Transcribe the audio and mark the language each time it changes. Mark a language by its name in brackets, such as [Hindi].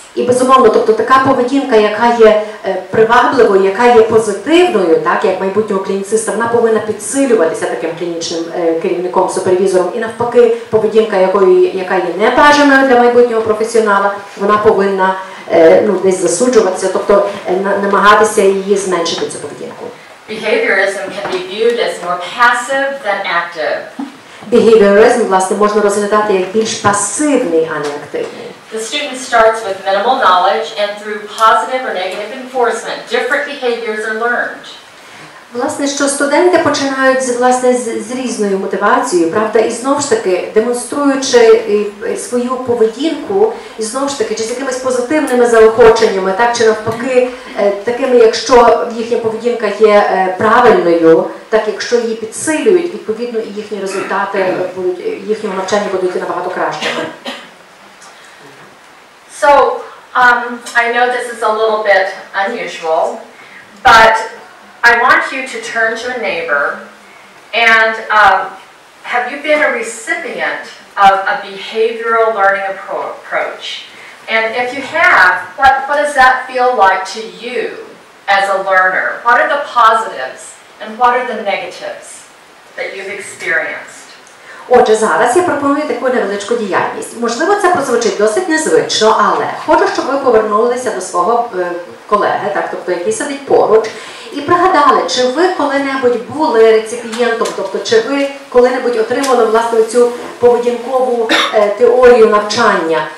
[Ukrainian] І безумовно, тобто така поведінка, яка є привабливою, яка є позитивною, так, як майбутнього клініциста, вона повинна підсилюватися таким клінічним керівником, супервізором. І навпаки, поведінка, яка є небажаною для майбутнього професіонала, вона повинна десь засуджуватися, тобто намагатися її зменшити, цю поведінку. [English] Behaviorism can be viewed as more passive than active. [Ukrainian] Behaviorism, власне, можна розглядати як більш пасивний, а не активний. [English] The student starts with minimal knowledge and through positive or negative enforcement, different behaviors are learned. [Ukrainian] Власне, що студенти починають з різною мотивацією, правда, і знову ж таки, демонструючи свою поведінку, і знову ж таки, чи з якимись позитивними заохоченнями, так чи навпаки, такими, якщо їхня поведінка є правильною, так якщо її підсилюють, відповідно, і їхні результати будуть, їхнього навчання будуть набагато кращими. [English] So, I know this is a little bit unusual, but I want you to turn to a neighbor and have you been a recipient of a behavioral learning approach? And if you have, what does that feel like to you as a learner? What are the positives and what are the negatives that you've experienced? [Ukrainian] Отже, зараз я пропоную таку невеличку діяльність. Можливо, це прозвучить досить незвично, але хочу, щоб ви повернулися до свого колеги, так, тобто який сидить поруч, і пригадали, чи ви коли-небудь були реципієнтом, тобто чи ви коли-небудь отримали, власне, цю поведінкову теорію навчання.